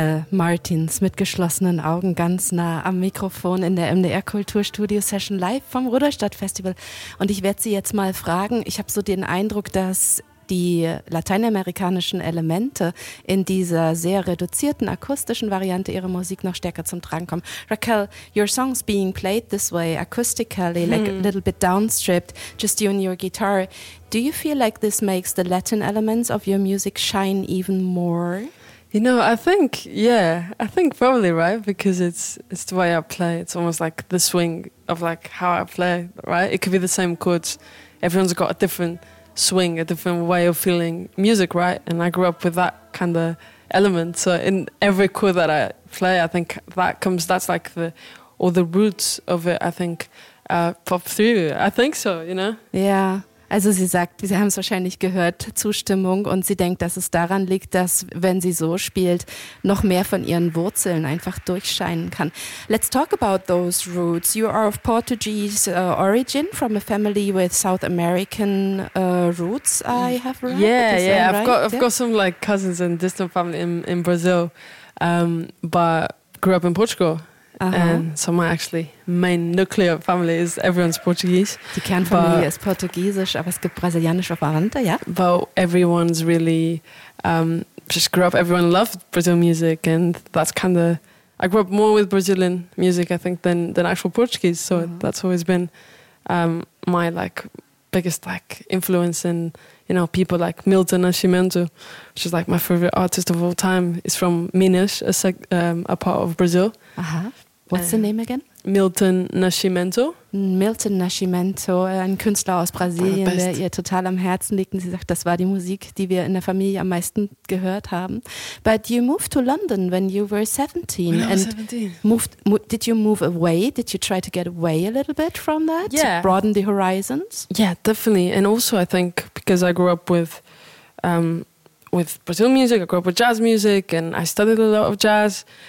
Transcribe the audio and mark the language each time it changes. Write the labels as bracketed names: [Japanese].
[German] Martins mit geschlossenen Augen ganz nah am Mikrofon in der MDR Kulturstudio Session live vom Rudolstadt Festival. Und ich werde Sie jetzt mal fragen, ich habe so den Eindruck, dass die lateinamerikanischen Elemente in dieser sehr reduzierten akustischen Variante ihrer Musik noch stärker zum Tragen kommen. [English] Raquel, your songs being played this way acoustically, like a little bit downstripped, just you and your guitar. Do you feel like this makes the Latin elements of your music shine even more? You know, I think probably, right? Because it's the way I play. It's almost like the swing of like how I play, right? It could be the same chords. Everyone's got a different swing, a different way of feeling music, right? And I grew up with that kind of element. So in every chord that I play, I think that comes, that's like the roots of it, I think, pop through. I think so, you know? Yeah. [German] Also sie sagt, Sie haben es wahrscheinlich gehört, Zustimmung, und sie denkt, dass es daran liegt, dass, wenn sie so spielt, noch mehr von ihren Wurzeln einfach durchscheinen kann. [English] Let's talk about those roots. You are of Portuguese origin, from a family with South American roots, I have read. I've got some like cousins and distant family in Brazil, but grew up in Portugal. Uh-huh. And so my actually main nuclear family is everyone's Portuguese. [German] Die Kernfamilie ist portugiesisch, aber es gibt brasilianische Verwandte, ja. [English] But everyone's really, just grew up, everyone loved Brazil music, and that's kind of, I grew up more with Brazilian music, I think, than actual Portuguese. So that's always been my like biggest like influence, and you know, people like Milton Nascimento, which is like my favorite artist of all time, is from Minas, a part of Brazil. Uh-huh. What's the name again? Milton Nascimento. [German] Milton Nascimento, ein Künstler aus Brasilien, der ihr total am Herzen liegt. Und sie sagt, das war die Musik, die wir in der Familie am meisten gehört haben. [English] But you moved to London when you were 17. Did you move away? Did you try to get away a little bit from that? Yeah. To broaden the horizons? Yeah, definitely. And also I think because I grew up with Brazil music, I grew up with jazz music, and I studied a lot of jazz.